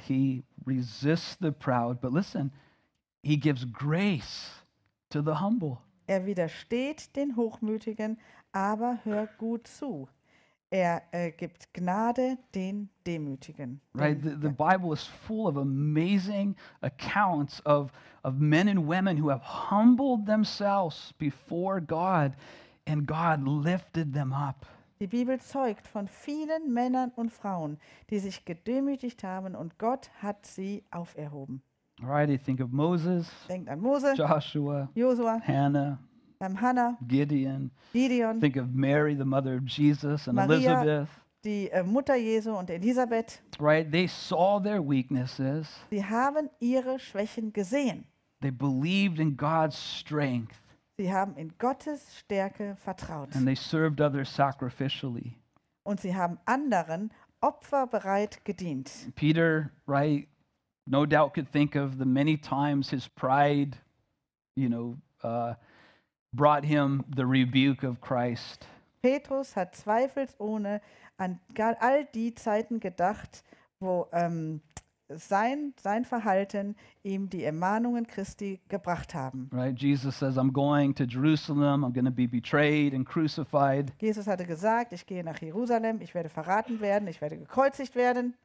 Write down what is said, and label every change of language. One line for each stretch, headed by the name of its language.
English: He resists the proud, but listen, he gives grace to the humble.
German: Er widersteht den Hochmütigen, aber hör gut zu. Er gibt Gnade den Demütigen.
English: Right, the Bible is full of amazing accounts of men and women who have humbled themselves before God and God lifted them up.
German: Die Bibel zeugt von vielen Männern und Frauen, die sich gedemütigt haben und Gott hat sie auferhoben.
English: Right, I think of Moses.
German: Denkt an Mose.
English: Joshua.
German: Josua.
English: Hannah. Gideon.
German: Gideon.
English: Think of Mary, the mother of Jesus, and
German: Maria,
English: Elizabeth.
German: Die Mutter Jesu und Elisabeth.
English: Right, they saw their weaknesses.
German: Sie haben ihre Schwächen gesehen.
English: They believed in God's strength.
German: Sie haben in Gottes Stärke vertraut.
English: And they served others sacrificially.
German: Und sie haben anderen opferbereit gedient.
English: Peter, right, no doubt could think of the many times his pride, you know, brought him the rebuke of Christ.
German: Petrus hat zweifelsohne an all die Zeiten gedacht, wo sein Verhalten ihm die Ermahnungen Christi gebracht haben.
English: Right, Jesus says, I'm going to Jerusalem, I'm going to be betrayed and crucified.
German: Jesus hatte gesagt, ich gehe nach Jerusalem, ich werde verraten werden, ich werde gekreuzigt werden.